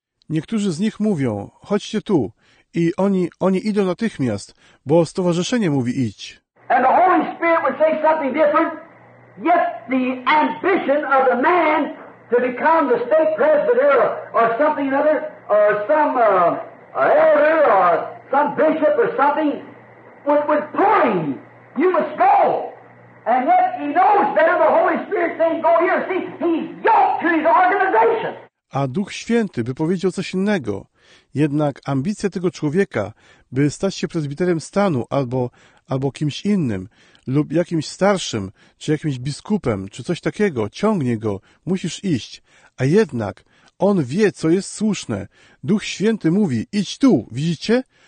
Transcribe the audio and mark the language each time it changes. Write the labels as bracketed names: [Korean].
[Polish] Niektórzy z nich mówią, chodźcie tu. I oni idą natychmiast, bo stowarzyszenie mówi idź. [English] And the Holy Spirit would say something different. Yet the ambition of the man to become the state presbyter or something other, or some elder or some bishop or something, would pull him. You must go. And yet he knows better. The Holy Spirit saying, go here. See, he's yoked to his organization. [Polish] A Duch Święty by powiedział coś innego. Jednak ambicja tego człowieka, by stać się prezbiterem stanu albo kimś innym, lub jakimś starszym, czy jakimś biskupem, czy coś takiego, ciągnie go, musisz iść. A jednak on wie, co jest słuszne. Duch Święty mówi, idź tu, widzicie?